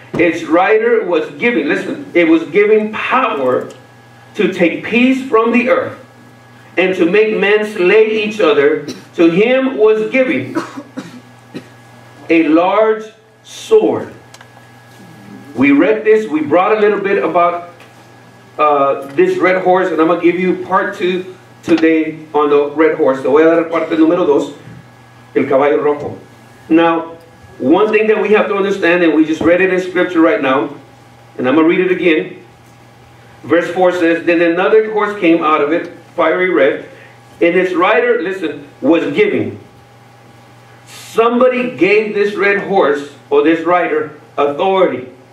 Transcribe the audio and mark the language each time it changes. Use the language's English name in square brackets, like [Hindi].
[English] Its rider was given, listen, it was given power to take peace from the earth and to make men slay each other. To him was given a large sword. We read this, we brought a little bit about this red horse, and I'm going to give you part 2 today on the red horse. [Spanish] Te voy a dar parte número 2, el caballo rojo. [English] Now, one thing that we have to understand, and we just read it in scripture right now, and I'm going to read it again. Verse 4 says, then another horse came out of it, fiery red, and its rider, listen, was giving. Somebody gave this red horse, or this rider, authority.